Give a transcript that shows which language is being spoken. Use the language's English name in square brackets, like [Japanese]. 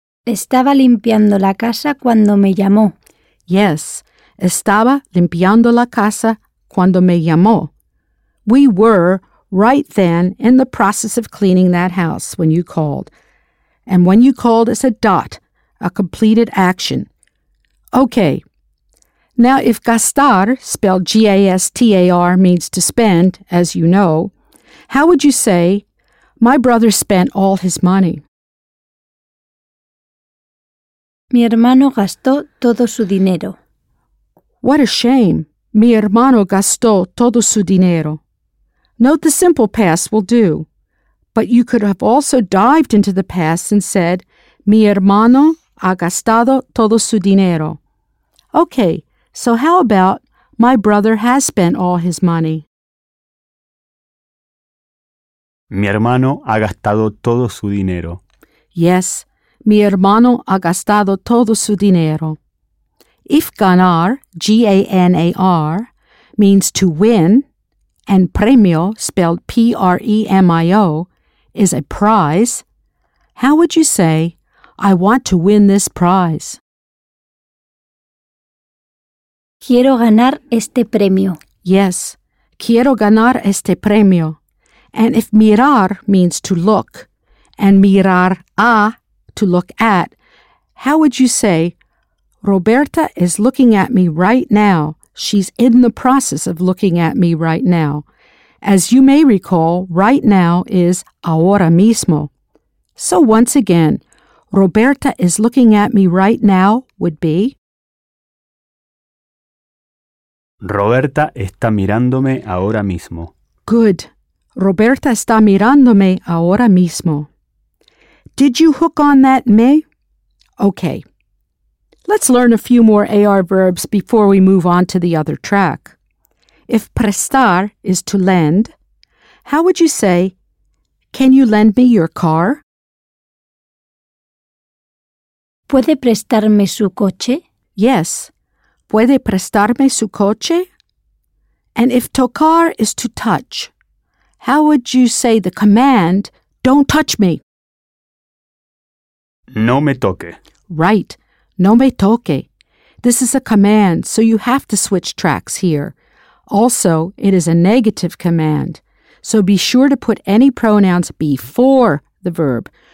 [Spanish] Estaba limpiando la casa cuando me llamó. Yes, estaba limpiando la casa cuando me llamó. [English] We were right then in the process of cleaning that house when you called. And when you called is a dot, a completed action. Okay. Now, if gastar, spelled G-A-S-T-A-R, means to spend, as you know, how would you say, my brother spent all his money? [Spanish] Mi hermano gastó todo su dinero. [English] What a shame. [Spanish] Mi hermano gastó todo su dinero. [English] Note the simple past will do. But you could have also dived into the past and said, [Spanish] mi hermano ha gastado todo su dinero. [English] Okay, so how about, my brother has spent all his money? [Spanish] Mi hermano ha gastado todo su dinero. Yes, mi hermano ha gastado todo su dinero. [English] If ganar, G-A-N-A-R, means to win, and premio, spelled P-R-E-M-I-O, is a prize, how would you say, I want to win this prize? [Spanish] Quiero ganar este premio. Yes, quiero ganar este premio. [English] And if mirar means to look, and mirar a, to look at, how would you say, Roberta is looking at me right now. She's in the process of looking at me right now. As you may recall, right now is ahora mismo. So once again, Roberta is looking at me right now would be [Spanish] Roberta está mirándome ahora mismo. [English] Good. [Spanish] Roberta está mirándome ahora mismo. [English] Did you hook on that me? Okay. Let's learn a few more AR verbs before we move on to the other track. If prestar is to lend, how would you say, can you lend me your car? [Spanish] ¿Puede prestarme su coche? [English] Yes. [Spanish] ¿Puede prestarme su coche? [English] And if tocar is to touch, how would you say the command, don't touch me? [Spanish] No me toque. Right. No me toque. [English] This is a command, so you have to switch tracks here. Also, it is a negative command, so be sure to put any pronouns before the verb.